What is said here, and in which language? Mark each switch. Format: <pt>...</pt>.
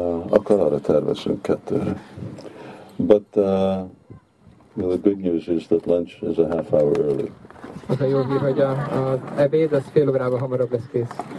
<hu>Akkor arra tervezünk kettőre.</hu> <en>But the good news is that lunch is a half hour early.</en> <hu>Az a jó hír, hogy a ebéd az fél órában hamarabb lesz kész.</hu>